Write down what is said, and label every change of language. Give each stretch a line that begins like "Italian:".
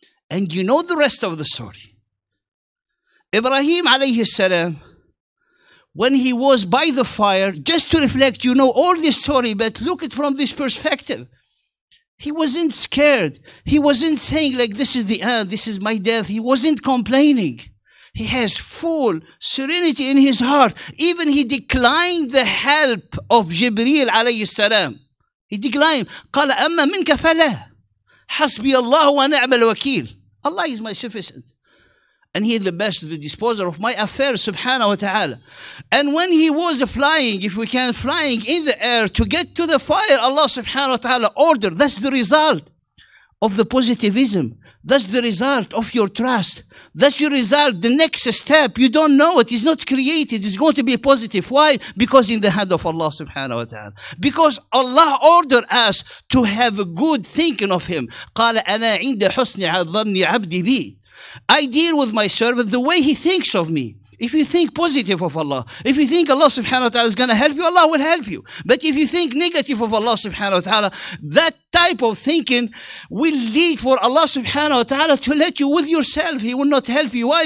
English: And you know the rest of the story. Ibrahim عليه السلام, when he was by the fire, just to reflect, you know all this story, but look it from this perspective. He wasn't scared. He wasn't saying like, this is the end, this is my death. He wasn't complaining. He has full serenity in his heart. Even he declined the help of Jibreel alayhi salam. He declined.
Arabic: قال أما منك فلا حسبي الله ونعم الوكيل.
English: Allah is my sufficient. And he is the best, the disposer of my affairs, subhanahu wa ta'ala. And when he was flying, if we can, flying in the air to get to the fire, Allah subhanahu wa ta'ala ordered. That's the result of the positivism. That's the result of your trust. That's your result, the next step. You don't know it. It's not created. It's going to be positive. Why? Because in the hand of Allah subhanahu wa ta'ala. Because Allah ordered us to have a good thinking of him.
Arabic: قال أنا عند حسن ظني عبدي بي.
English: I deal with my servant the way he thinks of me. If you think positive of Allah, if you think Allah subhanahu wa ta'ala is going to help you, Allah will help you. But if you think negative of Allah subhanahu wa ta'ala, that type of thinking will lead for Allah subhanahu wa ta'ala to let you with yourself. He will not help you. Why?